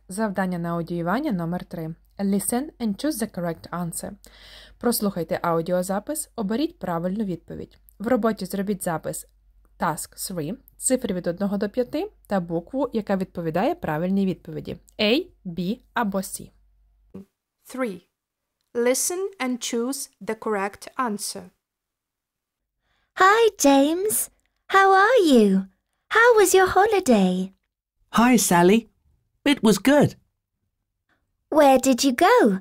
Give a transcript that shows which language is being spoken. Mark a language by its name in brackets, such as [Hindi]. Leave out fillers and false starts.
[Ukrainian] Завдання на аудіювання номер 3. [English] Listen and choose the correct answer. [Ukrainian] Прослухайте аудіозапис, оберіть правильну відповідь. В роботі зробіть запис task 3, цифри від 1 до 5 та букву, яка відповідає правильній відповіді. A, B або C. [English] 3. Listen and choose the correct answer. Hi, James. How are you? How was your holiday? Hi, Sally. It was good. Where did you go?